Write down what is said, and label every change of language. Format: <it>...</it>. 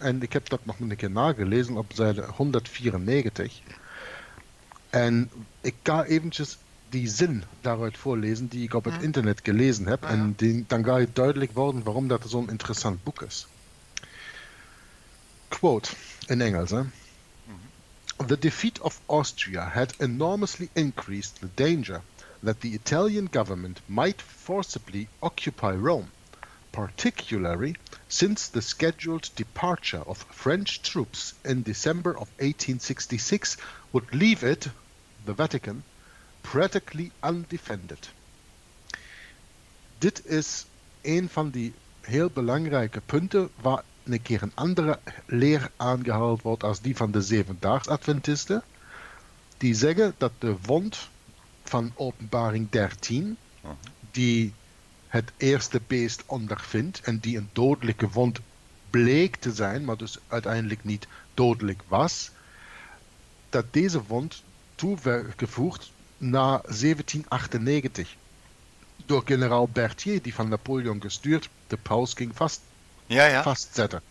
<nl>En ik heb dat nog een keer nagelezen op zijde 194. En ik ga eventjes die zin daaruit voorlezen die ik op het internet gelezen heb. En dan ga je duidelijk worden waarom dat zo'n interessant boek is. Quote in Engels.</nl> <en>The defeat of Austria had enormously increased the danger that the Italian government might forcibly occupy Rome, particularly since the scheduled departure of French troops in December of 1866 would leave it, the Vatican, practically undefended.</en> <nl>Dit is een van die heel belangrijke punten waar een keer een andere leer aangehaald wordt als die van de Zevendaags-Adventisten. Die zeggen dat de wond van Openbaring 13, die het eerste beest ondervindt en die een dodelijke wond bleek te zijn, maar dus uiteindelijk niet dodelijk was, dat deze wond toegevoegd na 1798 door generaal Berthier, die van Napoleon gestuurd, de paus ging vastzetten.</nl>